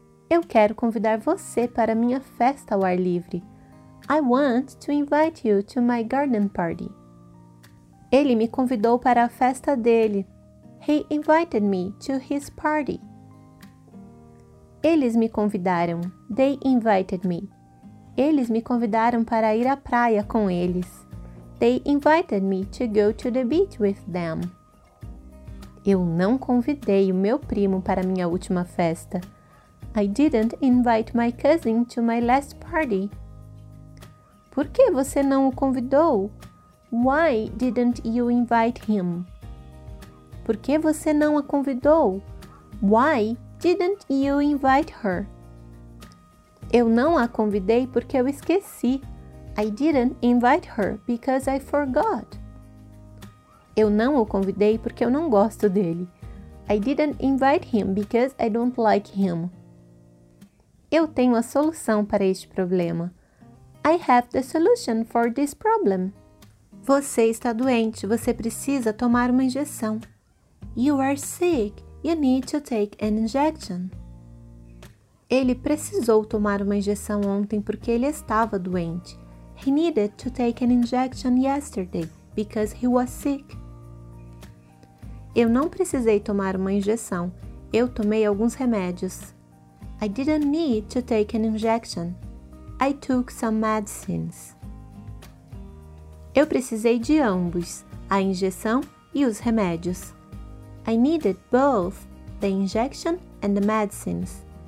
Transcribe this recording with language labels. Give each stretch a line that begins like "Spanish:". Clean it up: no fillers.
Portuguese: Eu quero convidar você para minha festa ao ar livre.
English: I want to invite you to my garden party.
Portuguese: Ele me convidou para a festa dele.
English: He invited me to his party.
Portuguese: Eles me convidaram.
English: They invited me.
Portuguese: Eles me convidaram para ir à praia com eles.
English: They invited me to go to the beach with them.
Portuguese: Eu não convidei o meu primo para minha última festa.
English: I didn't invite my cousin to my last party.
Portuguese: Por que você não o convidou?
English: Why didn't you invite him?
Portuguese: Por que você não a convidou?
English: Why didn't you invite her?
Portuguese: Eu não a convidei porque eu esqueci.
English: I didn't invite her because I forgot.
Portuguese: Eu não o convidei porque eu não gosto dele.
English: I didn't invite him because I don't like him.
Portuguese: Eu tenho a solução para este problema.
English: I have the solution for this problem.
Portuguese: Você está doente, você precisa tomar uma injeção.
English: You are sick, you need to take an injection.
Portuguese: Ele precisou tomar uma injeção ontem porque ele estava doente.
English: He needed to take an injection yesterday because he was sick.
Portuguese: Eu não precisei tomar uma injeção, eu tomei alguns remédios.
English: I didn't need to take an injection. I took some medicines.
Portuguese: Eu precisei de ambos, a injeção e os remédios.
English: I needed both the injection and the medicines.